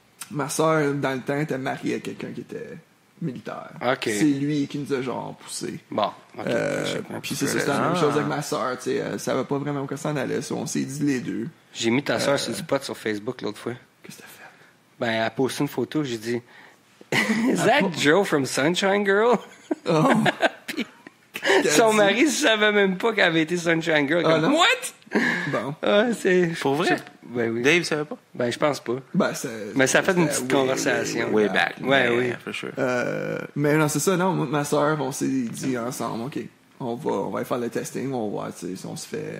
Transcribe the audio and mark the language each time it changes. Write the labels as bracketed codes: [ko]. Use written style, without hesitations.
[fr] Ma soeur, dans le temps, était mariée à quelqu'un qui était militaire. Okay. C'est lui qui nous a genre poussé. Bon, Puis c'est la même chose avec ma soeur. Tu sais, ça va pas vraiment quand ça en allait. On s'est dit les deux. J'ai mis ta soeur sur du pot sur Facebook l'autre fois. Qu'est-ce que t'as fait? Ben, elle a posté une photo. J'ai dit... [en] Is that Joe from Sunshine Girl? Oh... [fr] Son mari ne savait même pas qu'elle avait été Sunshine Girl. Comme, what? Bon. Pour vrai? Ben oui. Dave ne savait pas? Ben, je pense pas. Ben, c'est, mais ça fait une petite conversation. [en] Way back. [fr] Ouais, oui. [en] For sure. [fr] Mais non, c'est ça, non. Ma soeur, on s'est dit ensemble, OK, on va faire le testing, on va voir si on se fait.